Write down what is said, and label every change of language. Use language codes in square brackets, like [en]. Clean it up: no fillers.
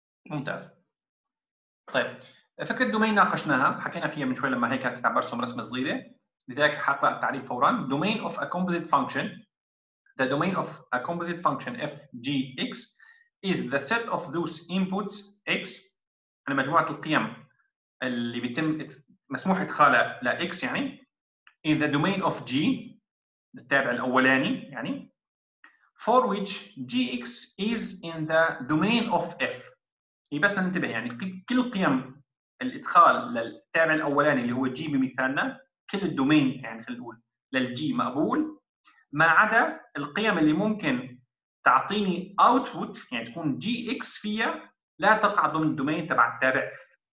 [ar] ممتاز. طيب فكرة الدومين ناقشناها، حكينا فيها من شوي لما هيك كنت عم برسم رسمة صغيرة، لذلك حقرأ التعريف فورا. [en] Domain of a composite function. The domain of a composite function fgx is the set of those inputs x، [ar] يعني مجموعة القيم اللي بيتم مسموح إدخالها لـ x، يعني [en] in the domain of g [ar] التابع الأولاني، يعني [en] for which gx is in the domain of f. [ar] هي بس ننتبه، يعني كل قيم الإدخال للتابع الأولاني اللي هو جي بمثالنا، كل الدومين يعني خلينا نقول للجي مقبول، ما عدا القيم اللي ممكن تعطيني أوتبوت يعني تكون جي إكس فيها لا تقع ضمن الدومين تبع التابع إف.